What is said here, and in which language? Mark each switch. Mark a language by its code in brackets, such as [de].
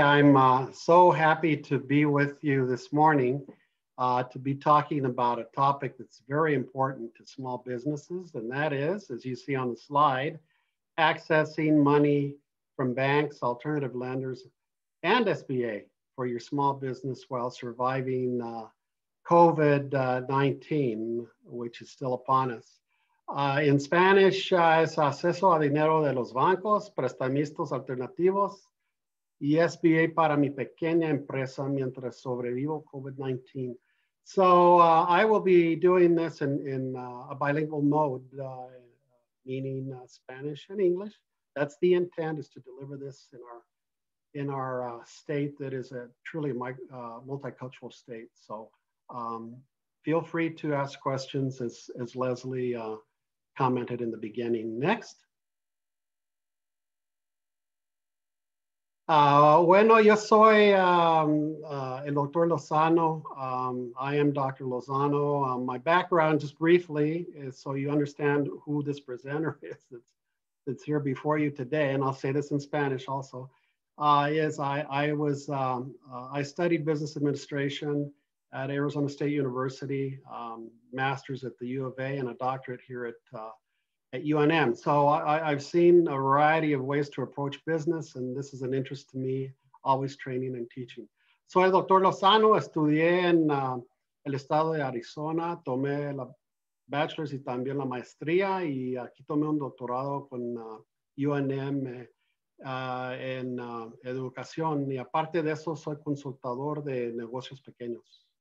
[en] I'm so happy to be with you this morning to be talking about a topic that's very important to small businesses, and that is, as you see on the slide, accessing money from banks, alternative lenders, and SBA for your small business while surviving COVID-19, which is still upon us. In Spanish, [es] es acceso a dinero de los bancos, prestamistas, alternativos, y SBA para mi pequeña empresa mientras sobrevivo COVID-19. [en] So I will be doing this in a bilingual mode, meaning Spanish and English. That's the intent, is to deliver this in our state that is a truly multicultural state. So feel free to ask questions as Leslie commented in the beginning. Next. [es] Bueno, yo soy el doctor Lozano. [en] I am Dr. Lozano. My background, just briefly, is so you understand who this presenter is that's here before you today, and I'll say this in Spanish also, I studied business administration at Arizona State University, master's at the U of A, and a doctorate here at UNM. So I've seen a variety of ways to approach business, and this is an interest to me, always training and teaching. [es] Soy Dr. Lozano, estudié en el estado de Arizona, tomé la bachelor's y también la maestría, y aquí tomé un doctorado con UNM en educación. Y aparte de eso, soy consultador de negocios pequeños.